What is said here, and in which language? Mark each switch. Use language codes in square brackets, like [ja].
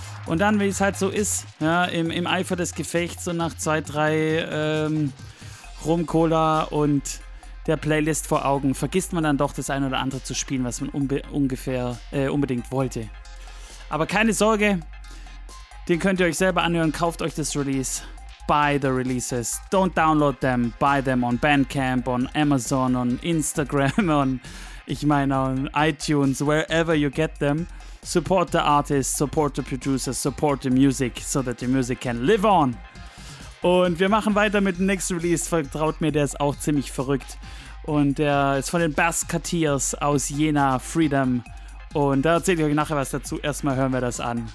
[de] Und dann, wie es halt so ist, ja, im Eifer des Gefechts, so nach 2-3 Rum-Cola und der Playlist vor Augen, vergisst man dann doch das ein oder andere zu spielen, was man unbedingt wollte. Aber keine Sorge, den könnt ihr euch selber anhören, kauft euch das Release. [en] Buy the releases, don't download them, buy them on Bandcamp, on Amazon, on Instagram, on iTunes, wherever you get them. Support the artists, support the producers, support the music, so that the music can live on. [de] Und wir machen weiter mit dem nächsten Release, vertraut mir, der ist auch ziemlich verrückt. Und der ist von den Basketeers aus Jena, Freedom. Und da erzähle ich euch nachher was dazu. Erstmal hören wir das an.